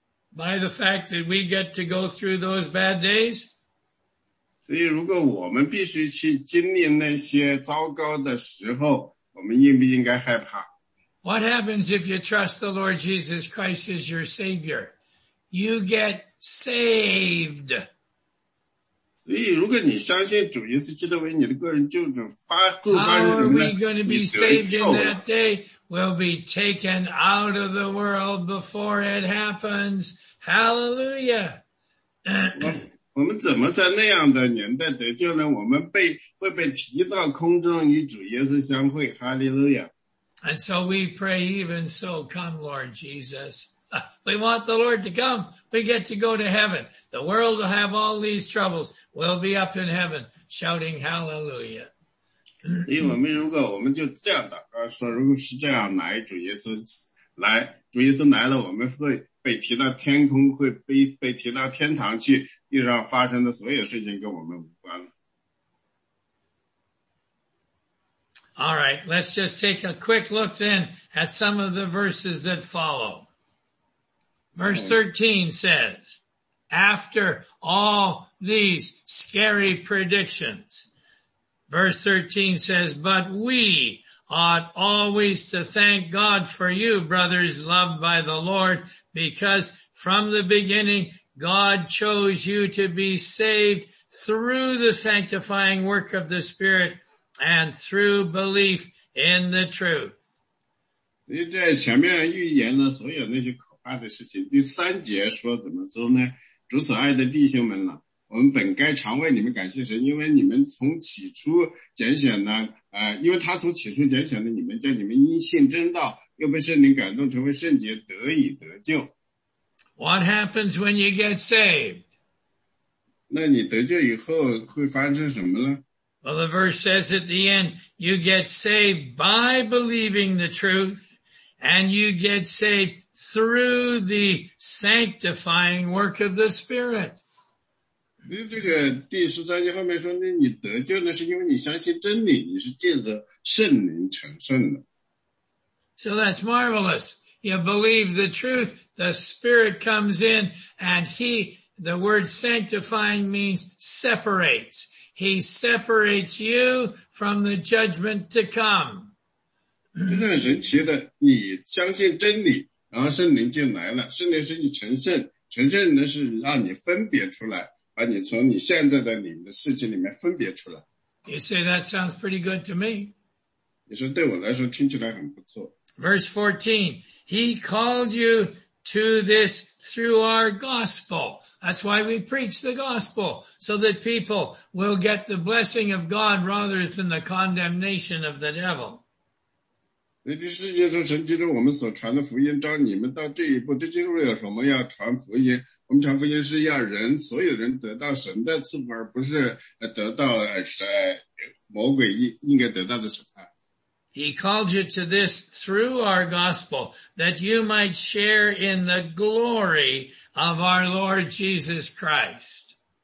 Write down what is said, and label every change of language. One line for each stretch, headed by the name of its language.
English: By the fact that we get to go through those bad days?
Chinese: 所以如果我们必须去经历那些糟糕的时候，我们应不应该害怕？
English: What happens if you trust the Lord Jesus Christ as your Savior? You get saved.
Chinese: 所以如果你相信主耶稣基督为你的个人救主，发后发人呢？
English: How are we going to be saved in that day? We'll be taken out of the world before it happens. Hallelujah.
Chinese: 我们怎么在那样的年代得救呢？我们会被提到空中与主耶稣相会。
English: Hallelujah. And so we pray, even so, come Lord Jesus. We want the Lord to come. We get to go to heaven. The world will have all these troubles. We'll be up in heaven shouting hallelujah.
Chinese: 所以我们就这样祷告说，如果是这样来，主耶稣来，主耶稣来了，我们会被提到天空，会 被提到天堂去，地上发生的所有事情跟我们无关了。
English: All right, let's just take a quick look then at some of the verses that follow. Verse 13 says, after all these scary predictions, verse 13 says, but we ought always to thank God for you, brothers loved by the Lord,Because from the beginning, God chose you to be saved through the sanctifying work of the Spirit and through belief in the truth.
Chinese: 在前面预言了所有那些可怕的事情。第三节说怎么说呢？主所爱的弟兄们了，我们本该常为你们感谢神，因为你们从起初拣选了，因为他从起初拣选了你们，叫你们因信真道。又被圣灵感动成为圣洁得以得救。
English: What happens when you get saved?
Chinese: 那你得救以后会发生什么呢？
English: Well, the verse says at the end, you get saved by believing the truth, and you get saved through the sanctifying work of the Spirit.
Chinese: 这个第十三节后面说你得救呢是因为你相信真理，你是借着圣灵成圣的。
English: So that's marvelous. You believe the truth, the Spirit comes in, and the word sanctifying means separates. He separates you from the judgment to come.
Chinese: 这是很神奇的，你相信真理，然后圣灵进来了，圣灵使你成圣，成圣呢是让你分别出来，把你从你现在的你们的世界里面分别出来。
English: You say that sounds pretty good to me.
Chinese: 你说对我来说听起来很不错。
English: Verse 14, he called you to this through our gospel. That's why we preach the gospel, so that people will get the blessing of God rather than the condemnation of the devil.
Chinese: 那这世界上神借着我们所传的福音，招你们到这一步，这就是有什么要传福音。我们传福音是要人所有人得到神的赐福，而不是得到神魔鬼应该得到的审判。
English: He called you to this through our gospel, that you might share in the glory of our Lord Jesus Christ.